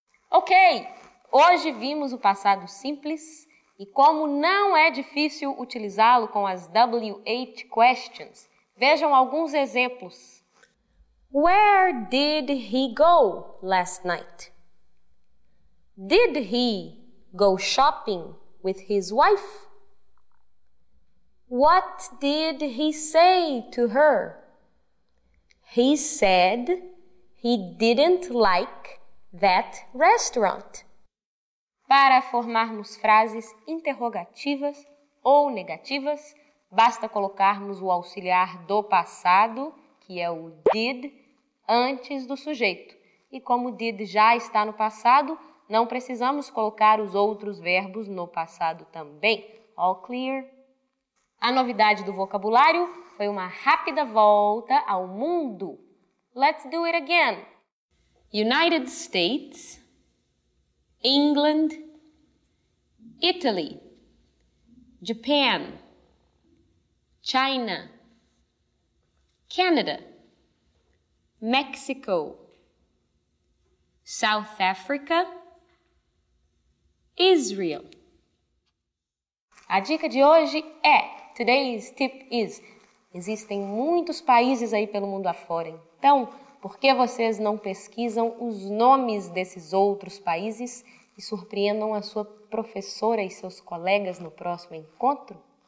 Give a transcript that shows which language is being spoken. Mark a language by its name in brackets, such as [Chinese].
[Portuguese] Ok, hoje vimos o passado simples e como não é difícil utilizá-lo com as WH questions. Vejam alguns exemplos. [English] Where did he go last night? Did he go shopping with his wife? What did he say to her? He said he didn't like that restaurant. [Portuguese] Para formarmos frases interrogativas ou negativas, basta colocarmos o auxiliar do passado, que é o did, antes do sujeito. E como did já está no passado, Não precisamos colocar os outros verbos no passado também. [English] All clear? [Portuguese] A novidade do vocabulário foi uma rápida volta ao mundo. [English] Let's do it again. United States, England, Italy, Japan, China, Canada, Mexico, South Africa, Israel. [Portuguese] A dica de hoje é, [English] today's tip is, [Portuguese] existem muitos países aí pelo mundo afora, então, por que vocês não pesquisam os nomes desses outros países e surpreendam a sua professora e seus colegas no próximo encontro?